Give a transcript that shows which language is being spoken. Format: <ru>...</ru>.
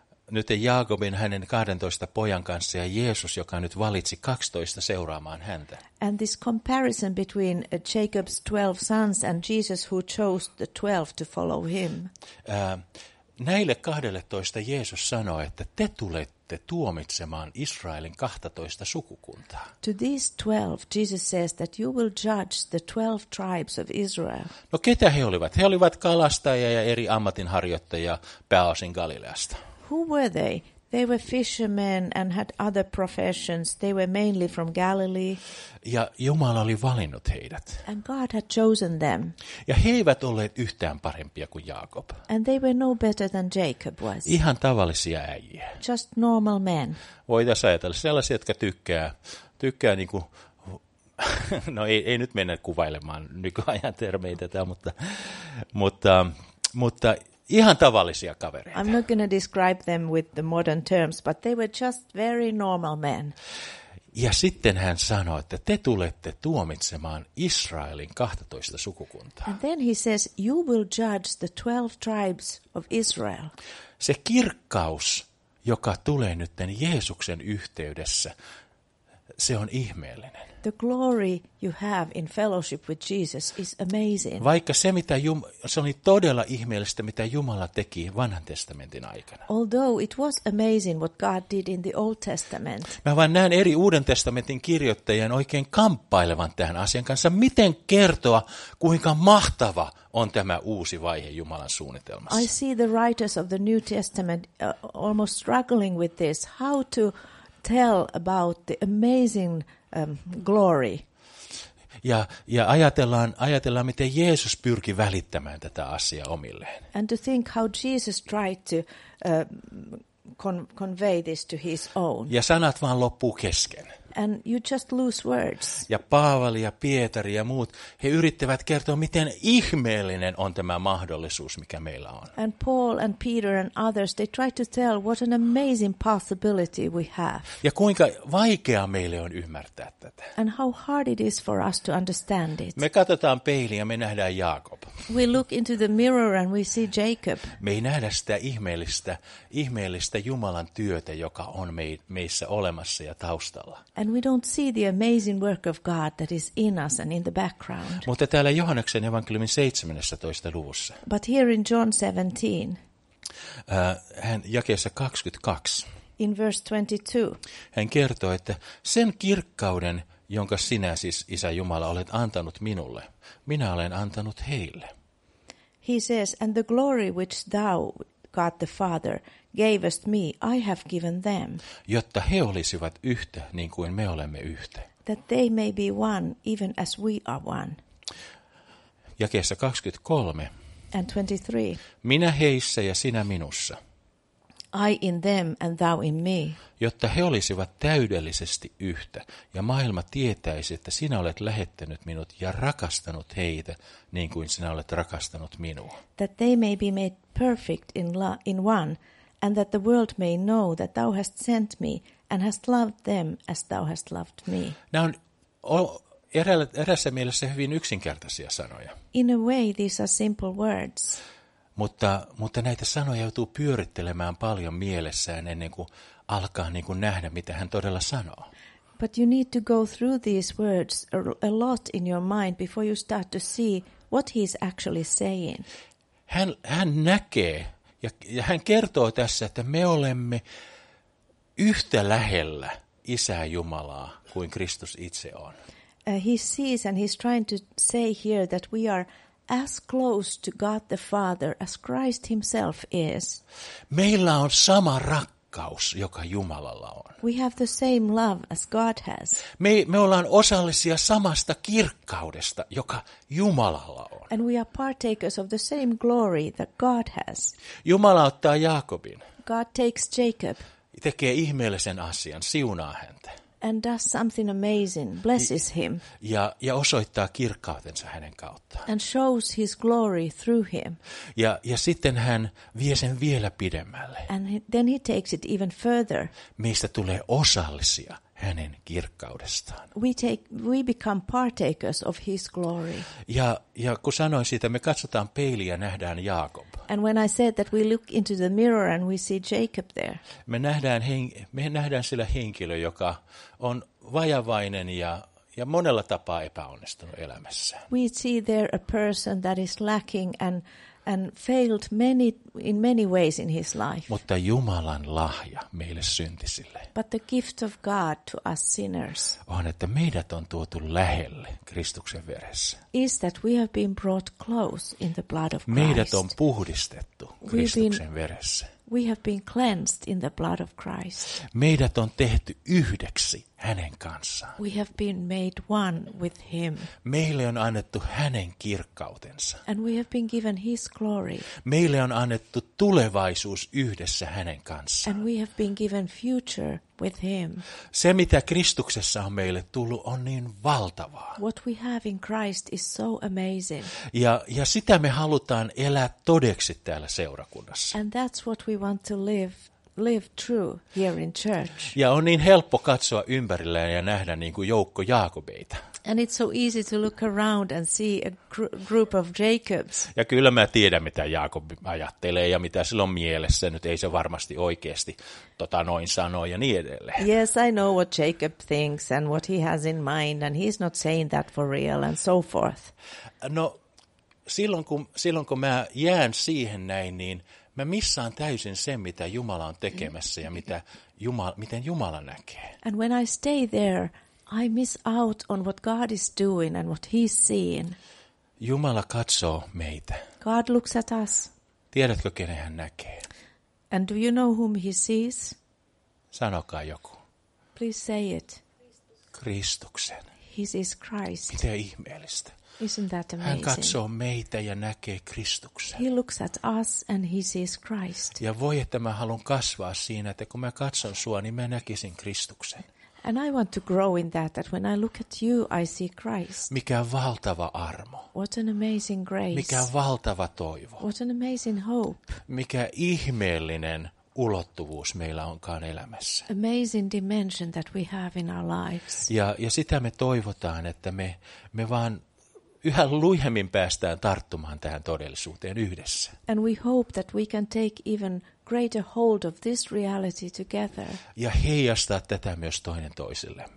<fi>Nyt Jaakobin hänen 12 pojan kanssa ja Jeesus, joka nyt valitsi 12 seuraamaan häntä.</fi> <en>And this comparison between Jacob's 12 sons and Jesus who chose the 12 to follow him.</en> <fi>Näille 12 Jeesus sanoi, että te tulette tuomitsemaan Israelin 12 sukukuntaa.</fi> <en>To these 12 Jesus says that you will judge the 12 tribes of Israel.</en> <fi>No ketä he olivat? He olivat kalastajia ja eri ammatinharjoittajia pääosin Galileasta.</fi> <en>Who were they? They were fishermen and had other professions. They were mainly from Galilee.</en> <fi>Ja Jumala oli valinnut heidät.</fi> <en>And God had chosen them.</en> <fi>Ja he eivät olleet yhtään parempia kuin Jaakob.</fi> <en>And they were no better than Jacob was.</en> <fi>Ihan tavallisia äijiä.</fi> <en>Just normal men.</en> <fi>Voitaisiin ajatella sellaisia, jotka tykkää niin kuin no ei nyt mennä kuvailemaan nykyajan termeitä tätä, mutta ihan tavallisia kavereita.</fi> <en>I'm not going to describe them with the modern terms, but they were just very normal men.</en> <fi>Ja sitten hän sanoi, että te tulette tuomitsemaan Israelin 12 sukukuntaa.</fi> <en>And then he says, you will judge the 12 tribes of Israel.</en> <fi>Se kirkkaus, joka tulee nytten Jeesuksen yhteydessä, se on ihmeellinen.</fi> <en>The glory you have in fellowship with Jesus is amazing.</en> <fi>Vaikka se mitä se oli todella ihmeellistä mitä Jumala teki Vanhan testamentin aikana.</fi> <en>Although it was amazing what God did in the Old Testament.</en> <fi>Mä vaan näen eri Uuden testamentin kirjoittajien oikein kamppailevan tähän asian kanssa, miten kertoa kuinka mahtava on tämä uusi vaihe Jumalan suunnitelmassa.</fi> <en>I see the writers of the New Testament almost struggling with this, how to tell about the amazing glory.</en> <fi>Ja ajatellaan miten Jeesus pyrki välittämään tätä asiaa omilleen.</fi> <en>And to think how Jesus tried to convey this to his own.</en> <fi>Ja sanat vaan loppuu kesken.</fi> <en>And you just lose words.</en> <fi>Ja Paavali ja Pietari ja muut, he yrittävät kertoa, miten ihmeellinen on tämä mahdollisuus, mikä meillä on.</fi> <en>And Paul and Peter and others, they try to tell what an amazing possibility we have.</en> <fi>Ja kuinka vaikea meille on ymmärtää tätä.</fi> <en>And how hard it is for us to understand it.</en> <fi>Me katsotaan peiliin ja me nähdään Jaakob.</fi> <en>We look into the mirror and we see Jacob.</en> <fi>Me ei nähdä sitä ihmeellistä Jumalan työtä, joka on meissä olemassa ja taustalla.</fi> <en>And we don't see the amazing work of God that is in us and in the background.</en> <fi>Mutta täällä Johanneksen evankeliumin 17. luvussa.</fi> <en>But here in John 17.</en> <fi>Hän jakeessa 22.</fi> <en>In verse 22.</en> <fi>Hän kertoo, että sen kirkkauden, jonka sinä siis Isä Jumala olet antanut minulle, minä olen antanut heille.</fi> <en>He says, and the glory which thou, God the Father, gavest me, I have given them.</en> <fi>Jotta he olisivat yhtä, niin kuin me olemme yhtä.</fi> <en>That they may be one, even as we are one.</en> <fi>Jakeessa 23.</fi> <en>And 23.</en> <fi>Minä heissä ja sinä minussa.</fi> <en>I in them and thou in me.</en> <fi>Jotta he olisivat täydellisesti yhtä, ja maailma tietäisi, että sinä olet lähettänyt minut ja rakastanut heitä, niin kuin sinä olet rakastanut minua.</fi> <en>That they may be made perfect in one, and that the world may know that thou hast sent me and hast loved them as thou hast loved me.</en> <fi>Nämä on eräässä mielessä hyvin yksinkertaisia sanoja.</fi> <en>In a way, these are simple words.</en> <fi>Mutta näitä sanoja joutuu pyörittelemään paljon mielessään ennen kuin alkaa niin kuin nähdä, mitä hän todella sanoo.</fi> <en>But you need to go through these words a lot in your mind before you start to see what he's actually saying.</en> <fi>Hän näkee ja hän kertoo tässä, että me olemme yhtä lähellä Isää Jumalaa kuin Kristus itse on.</fi> <en>He sees and he's trying to say here that we are as close to God the Father as Christ himself is.</en> <fi>Meillä on sama rakkaus, joka Jumalalla on.</fi> <en>We have the same love as God has.</en> <fi>Me ollaan osallisia samasta kirkkaudesta, joka Jumalalla on.</fi> <en>And we are partakers of the same glory that God has.</en> <fi>Jumala ottaa Jaakobin.</fi> <en>God takes Jacob.</en> <fi>Tekee ihmeellisen asian, siunaa häntä.</fi> <en>And does something amazing, blesses him.</en> <fi>Ja osoittaa kirkkautensa hänen kauttaan.</fi> <en>And shows his glory through him.</en> <fi>Ja sitten hän vie sen vielä pidemmälle.</fi> <en>And then he takes it even further.</en> <fi>Meistä tulee osallisia hänen kirkkaudestaan.</fi> <en>We become partakers of his glory.</en> <fi>Ja kun sanoin siitä, me katsotaan peiliä ja nähdään Jaakob.</fi> <en>And when I said that we look into the mirror and we see Jacob there.</en> <fi>Me nähdään sillä henkilö, joka on vajavainen ja monella tapaa epäonnistunut elämässä.</fi> <en>We see there a person that is lacking and failed in many ways in his life.</en> <fi>Mutta Jumalan lahja meille syntisille.</fi> <en>But the gift of God to us sinners.</en> <fi>On, että meidät on tuotu lähelle Kristuksen veressä.</fi> <en>Is that we have been brought close in the blood of Christ.</en> <fi>Meidät on puhdistettu Kristuksen veressä.</fi> <en>We have been cleansed in the blood of Christ.</en> <fi>Meidät on tehty yhdeksi hänen kanssaan.</fi> <en>We have been made one with him.</en> <fi>Meille on annettu hänen kirkkautensa.</fi> <en>And we have been given his glory.</en> <fi>Meille on annettu tulevaisuus yhdessä hänen kanssaan.</fi> <en>And we have been given future with him.</en> <fi>Se mitä Kristuksessa on meille tullut on niin valtavaa.</fi> <en>What we have in Christ is so amazing.</en> <fi>Ja sitä me halutaan elää todeksi täällä seurakunnassa.</fi> <en>And that's what we want to live true here in church.</en> <fi>Ja on niin helppo katsoa ympärilleen ja nähdä niin kuin joukko Jaakobeita.</fi> <en>And it's so easy to look around and see a group of Jacobs.</en> <fi>Ja kyllä mä tiedän, mitä Jaakob ajattelee ja mitä sillä on mielessä. Nyt ei se varmasti oikeasti tota noin sanoa ja niin edelleen.</fi> <en>Yes, I know what Jacob thinks and what he has in mind and he's not saying that for real and so forth.</en> <fi>No, silloin kun mä jään siihen näin, niin mä missaan täysin sen, mitä Jumala on tekemässä ja mitä miten Jumala näkee.</fi> <en>And when I stay there, I miss out on what God is doing and what he's seeing.</en> <fi>Jumala katsoo meitä.</fi> <en>God looks at us.</en> <fi>Tiedätkö, kenen hän näkee?</fi> <en>And do you know whom he sees?</en> <fi>Sanokaa joku.</fi> <en>Please say it.</en> <fi>Kristuksen.</fi> <en>He sees Christ.</en> <fi>Miten ihmeellistä.</fi> <en>Isn't that amazing?</en> <fi>Hän katsoo meitä ja näkee Kristuksen.</fi> <en>He looks at us and he sees Christ.</en> <fi>Ja voi, että mä haluan kasvaa siinä, että kun mä katson sua, niin mä näkisin Kristuksen.</fi> <en>And I want to grow in that when I look at you, I see Christ.</en> <fi>Mikä valtava armo.</fi> <en>What an amazing grace.</en> <fi>Mikä valtava toivo.</fi> <en>What an amazing hope.</en> <fi>Mikä ihmeellinen ulottuvuus meillä onkaan elämässä.</fi> <en>Amazing dimension that we have in our lives.</en> <fi>Ja sitä me toivotaan, että me vaan yhä lujemmin päästään tarttumaan tähän todellisuuteen yhdessä.</fi> <en>And we hope that we can take even greater hold of this reality together.</en> <fi>Ja heijastaa tätä myös toinen toisillemme.</fi>